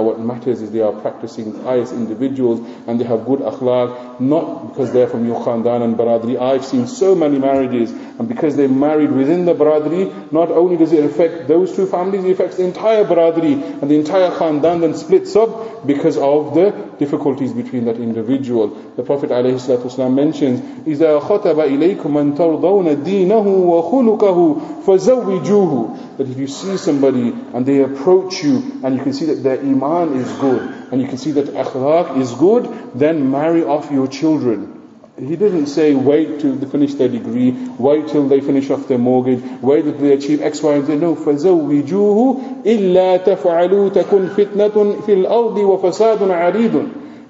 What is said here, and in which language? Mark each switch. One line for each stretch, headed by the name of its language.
English: What matters is they are practicing pious individuals and they have good akhlaq, not because they're from your khandan and baradri. I've seen so many marriages, and because they married within the baradri, not only does it affect those two families, it affects the entire baradri, and the entire khandan then splits up because of the difficulties between that individual. The Prophet ﷺ mentions,
Arabic: إِذَا خَطَبَ إِلَيْكُمْ مَنْ تَرْضَوْنَ دِينَهُ وَخُلُقَهُ فَزَوِّجُوهُ.
English: That if you see somebody and they approach you and you can see that their iman is good and you can see that akhlaq is good, then marry off your children. He didn't say wait till they finish their degree, wait till they finish off their mortgage, wait till they achieve X, Y, and Z.
Arabic: No, فَزَوِّجُوهُ إِلَّا تَفْعَلُوا تَكُنْ فِتْنَةٌ فِي الْأَرْضِ وَفَسَادٌ عَرِيدٌ.